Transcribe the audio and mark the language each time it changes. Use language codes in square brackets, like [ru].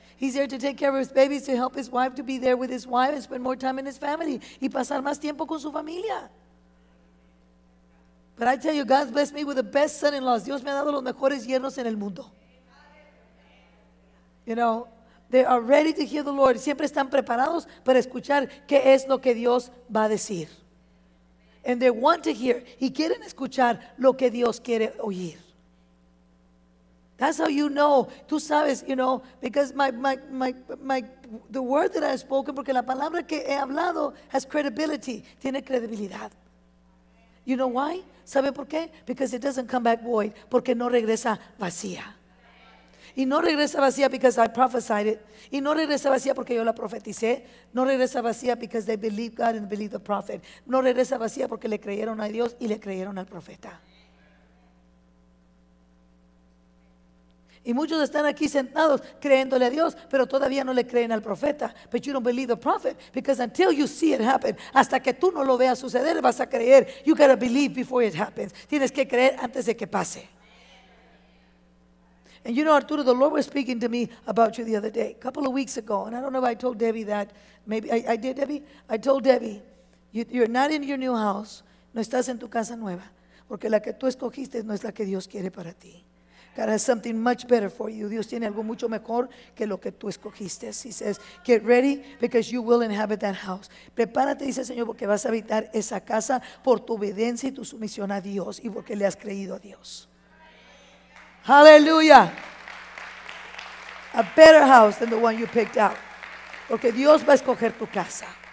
[en] He's there to take care of his babies, to help his wife, to be there with his wife and spend more time in his family. [es] Y pasar más tiempo con su familia. [en] But I tell you, God's blessed me with the best son-in-laws. [es] Dios me ha dado los mejores yernos en el mundo. [en] You know, they are ready to hear the Lord. [es] Siempre están preparados para escuchar qué es lo que Dios va a decir. [en] And they want to hear. [es] Y quieren escuchar lo que Dios quiere oír. [en] That's how you know. [es] Tú sabes, [en] you know, because the word that I have spoken, [es] porque la palabra que he hablado [en] has credibility. [es] Tiene credibilidad. [en] You know why? [es] ¿Sabe por qué? [en] Because it doesn't come back void. [es] Porque no regresa vacía. Y no regresa vacía [en] because I prophesied it. [es] Y no regresa vacía porque yo la profeticé. No regresa vacía [en] because they believe God and believe the prophet. [es] No regresa vacía porque le creyeron a Dios y le creyeron al profeta. Y muchos están aquí sentados creyéndole a Dios, pero todavía no le creen al profeta. [en] But you don't believe the prophet because until you see it happen, [es] hasta que tú no lo veas suceder, [en] vas a creer. You gotta believe before it happens. [es] Tienes que creer antes de que pase. [en] And you know, Arturo, the Lord was speaking to me about you the other day, a couple of weeks ago. And I don't know if I told Debbie that. Maybe I did, Debbie. I told Debbie, you're not in your new house. [es] No estás en tu casa nueva. Porque la que tú escogiste no es la que Dios quiere para ti. [en] God has something much better for you. [es] Dios tiene algo mucho mejor que lo que tú escogiste. [en] He says, get ready because you will inhabit that house. [es] Prepárate, dice el Señor, porque vas a habitar esa casa por tu obediencia y tu sumisión a Dios y porque le has creído a Dios. [en] Hallelujah. A better house than the one you picked out. [es] Porque Dios va a escoger tu casa.